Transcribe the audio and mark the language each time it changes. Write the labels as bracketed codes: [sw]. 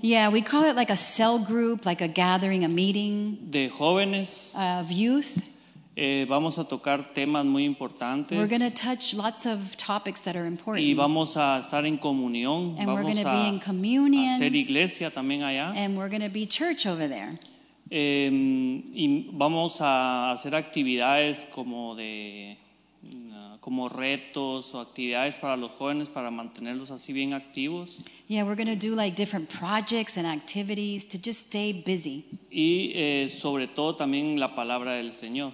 [en] Yeah, we call it like a cell group, like a gathering, a meeting. [es] De jóvenes. [en] Of youth. [es] Vamos a tocar temas muy importantes. [en] We're going to touch lots of topics that are important. [es] Y vamos a estar en comunión. [en] And [es] vamos [en] we're going to be in communion. [es] A ser iglesia también allá. [en] And we're going to be church over there. [es] Y vamos a hacer actividades como de como retos o actividades para los jóvenes para mantenerlos así bien activos. [en] Yeah, we're going to do like different projects and activities to just stay busy. [es] Y sobre todo también la palabra del Señor.